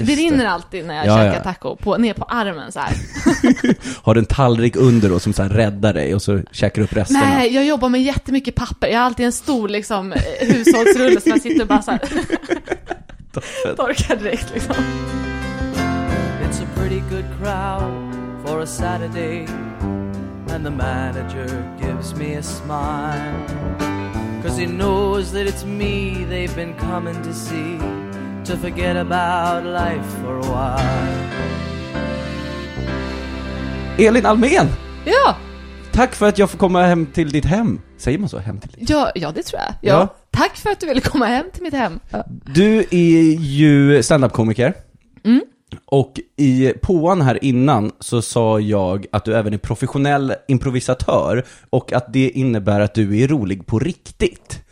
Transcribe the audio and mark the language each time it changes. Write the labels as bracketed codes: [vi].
[sv] Det rinner alltid när jag käkar taco på, ner på armen så här. Har du en tallrik under då som så här räddar dig och så käkar upp resten? Nej, jag jobbar med jättemycket papper. Jag har alltid en stor liksom hushållsrulle som jag sitter och bara så här torkar direkt liksom. [en] It's a pretty good crowd for a Saturday. And the manager gives me a smile, 'cause he knows that it's me they've been coming to see, to forget about life for a while. [sv] Elin Almén! Ja! Tack för att jag får komma hem till ditt hem. Säger man så, hem till ditt hem? Ja, det tror jag. Ja. Tack för att du ville komma hem till mitt hem. Du är ju stand-up-komiker. Och i påan här innan så sa jag att du även är professionell improvisatör och att det innebär att du är rolig på riktigt.